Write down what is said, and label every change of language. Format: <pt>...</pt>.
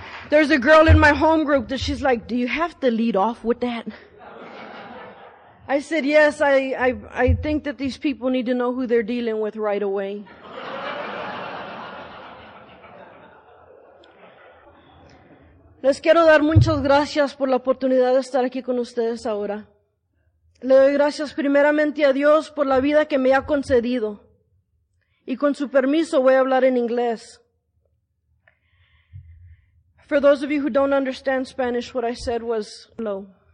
<en>There's a girl in my home group that she's like, do you have to lead off with that? I said, yes, I think that these people need to know who they're dealing with right away.</en> <es>Les quiero dar muchas gracias por la oportunidad de estar aquí con ustedes ahora. Le doy gracias primeramente a Dios por la vida que me ha concedido. Y con su permiso voy a hablar en inglés.</es> <en>For those of you who don't understand Spanish, what I said was, hello.</en>